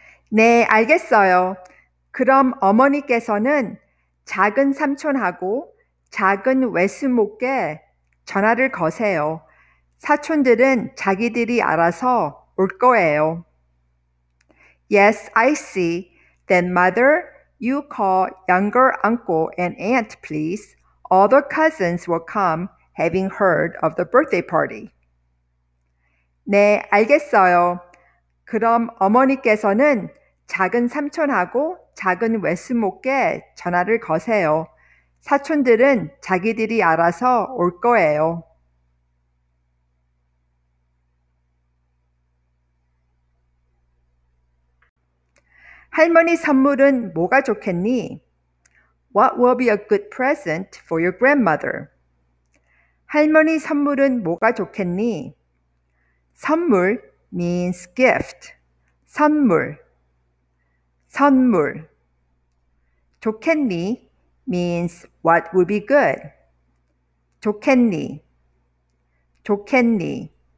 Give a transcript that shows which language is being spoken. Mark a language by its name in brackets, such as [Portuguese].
[Korean] 네, 알겠어요. 그럼 어머니께서는 작은 삼촌하고 작은 외숙모께 전화를 거세요. 사촌들은 자기들이 알아서 올 거예요. [English] Yes, I see. Then mother, you call younger uncle and aunt, please. All the cousins will come, having heard of the birthday party. [Korean] 네, 알겠어요. 그럼 어머니께서는 작은 삼촌하고 작은 외숙모께 전화를 거세요. 사촌들은 자기들이 알아서 올 거예요. 할머니 선물은 뭐가 좋겠니? [English] What will be a good present for your grandmother? [Korean] 할머니 선물은 뭐가 좋겠니? [English] 선물 means gift. 선물. 선물. 좋겠니 means what would be good. 좋겠니. 좋겠니.